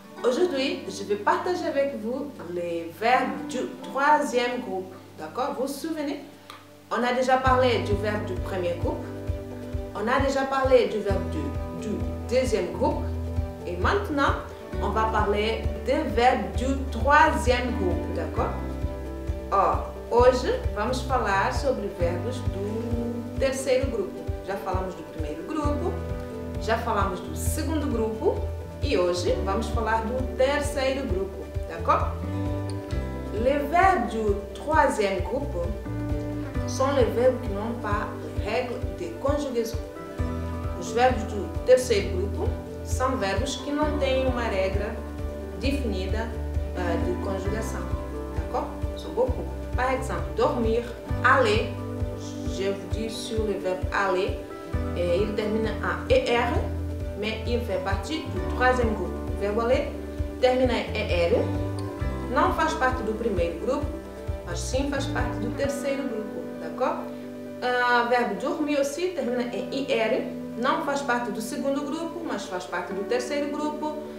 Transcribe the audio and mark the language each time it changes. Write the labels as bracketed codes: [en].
[fr] Aujourd'hui, je vais partager avec vous les verbes du troisième groupe, d'accord? Vous vous souvenez? On a déjà parlé du verbe du premier groupe. On a déjà parlé du verbe du deuxième groupe. Et maintenant, on va parler des verbes du troisième groupe, d'accord? [pt] Hoje, vamos falar sobre verbos do terceiro grupo. Já falamos do primeiro grupo, já falamos do segundo grupo e hoje vamos falar do terceiro grupo, d'accord? [fr] Les verbes du troisième groupe sont les verbes qui n'ont pas règle de conjugaison. [pt] Os verbos do terceiro grupo são verbos que não têm uma regra definida de conjugação, d'accord? São beaucoup. [fr] Par exemple, dormir, aller, je vous dis sur le verbe aller, il termine en ER, mais il fait partie du troisième groupe. [pt] O verbo aller termina em ER, não faz parte do primeiro grupo, mas sim faz parte do terceiro grupo, d'accord? Verbo dormir aussi termina em IR. Não faz parte do segundo grupo, mas faz parte do terceiro grupo.